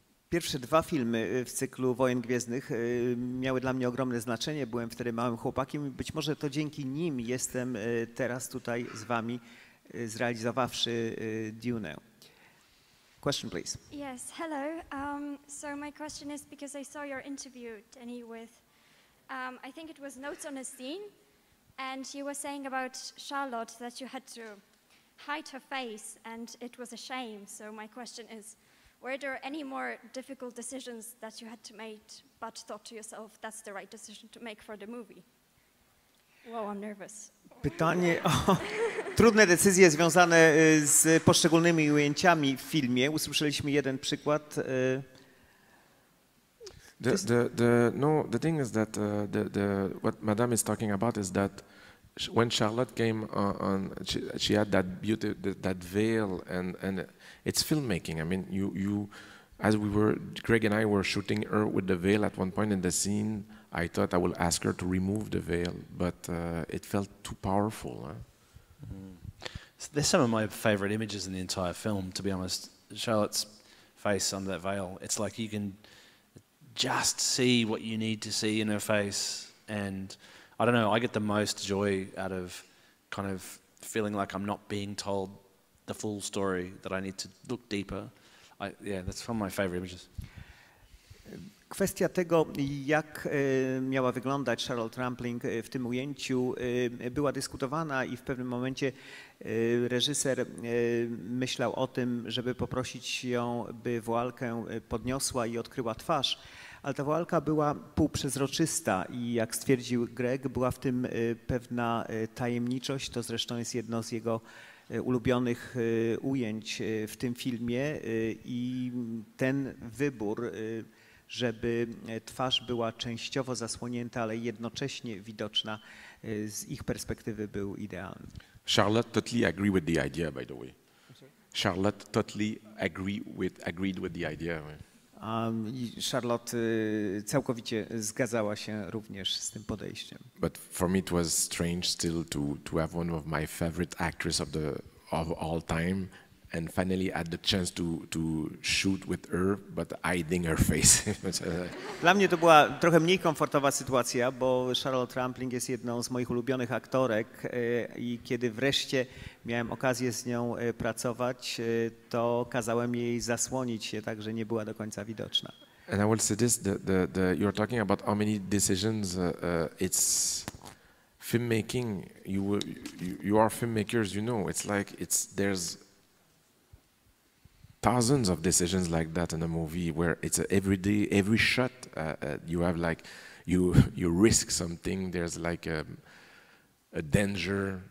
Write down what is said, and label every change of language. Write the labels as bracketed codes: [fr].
[pl] Pierwsze dwa filmy w cyklu Wojen Gwiezdnych miały dla mnie ogromne znaczenie. Byłem wtedy małym chłopakiem I być może to dzięki nim jestem teraz tutaj z wami, zrealizowawszy Dune. [en] Question, please. Yes, hello. So my question is because I saw your interview, Denny, with, I think it was Notes on a Scene, and you were saying about Charlotte that you had to hide her face and it was a shame. So my question is, were there any more difficult decisions that you had to make, but thought to yourself, that's the right decision to make for the movie? Wow, I'm nervous. [pl] Pytanie o trudne decyzje związane z poszczególnymi ujęciami w filmie. Usłyszeliśmy jeden przykład. [en] The thing is that what Madame is talking about is that when Charlotte came on she had that beauty, that veil, and it's filmmaking. I mean, you as we were, Greig and I were shooting her with the veil at one point in the scene, I thought I will ask her to remove the veil, but it felt too powerful. Huh? Mm-hmm. So they're some of my favorite images in the entire film, to be honest. Charlotte's face under that veil, it's like you can just see what you need to see in her face. And I don't know, I get the most joy out of kind of feeling like I'm not being told the full story, that I need to look deeper. Yeah, that's one of my favorite images. [pl] Kwestia tego, jak miała wyglądać Charlotte Rampling w tym ujęciu, była dyskutowana i w pewnym momencie reżyser myślał o tym, żeby poprosić ją, by woalkę podniosła i odkryła twarz. Ale ta woalka była półprzezroczysta i jak stwierdził Greig, była w tym pewna tajemniczość. To zresztą jest jedno z jego ulubionych ujęć w tym filmie i ten wybór, żeby twarz była częściowo zasłonięta, ale jednocześnie widoczna z ich perspektywy, był idealny. [en] Charlotte totally agree with the idea, by the way. Charlotte totally agreed with the idea. [pl] Charlotte całkowicie zgadzała się również z tym podejściem. [en] But for me it was strange still to have one of my favorite actress of all time and finally had the chance to shoot with her, but hiding her face. [pl] Dla mnie to była trochę mniej komfortowa sytuacja, bo Charlotte Rampling jest jedną z moich ulubionych aktorek i kiedy wreszcie miałem okazję z nią pracować, to kazałem jej zasłonić się, tak że nie była do końca widoczna. [en] And I will say this, the you're talking about how many decisions it's filmmaking, you are filmmakers, you know, it's like there's thousands of decisions like that in a movie where it's every shot you have, like you risk something, there's like a danger.